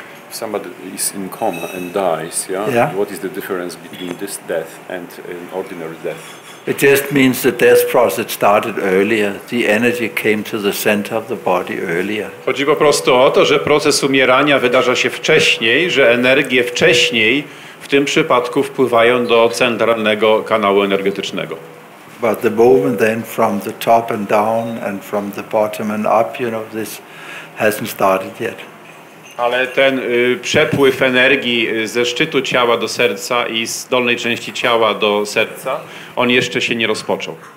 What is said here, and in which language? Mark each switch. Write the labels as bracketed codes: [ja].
[en] Somebody is in coma and dies, yeah? What is the difference between this death and an ordinary death? It just means the death process started earlier. The energy came to the center of the body earlier. [pl] Chodzi po prostu o to, że proces umierania wydarza się wcześniej, że energie wcześniej w tym przypadku wpływają do centralnego kanału energetycznego. [en] But the movement then from the top and down and from the bottom and up, you know, this hasn't started yet. [pl] Ale ten przepływ energii ze szczytu ciała do serca i z dolnej części ciała do serca, on jeszcze się nie rozpoczął.